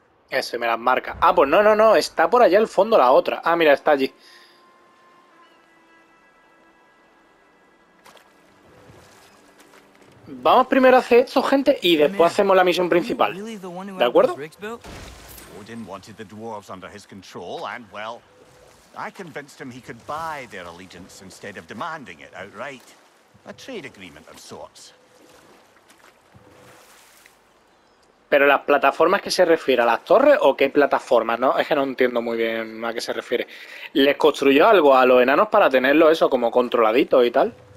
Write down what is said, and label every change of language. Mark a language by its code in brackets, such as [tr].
[es] Ese me las marca. Ah, pues no. Está por allá al fondo la otra. Ah, mira, está allí. Vamos primero a hacer esto, gente, y después hacemos la misión principal. ¿De acuerdo? [en] Odin wanted the dwarves under his control, and well, I convinced him he could buy their allegiance instead of demanding it outright. A trade agreement of sorts. [es] Pero las plataformas, ¿qué se refiere? ¿A las torres o qué plataformas? No, es que no entiendo muy bien a qué se refiere. ¿Les construyó algo a los enanos para tenerlo eso como controladito y tal?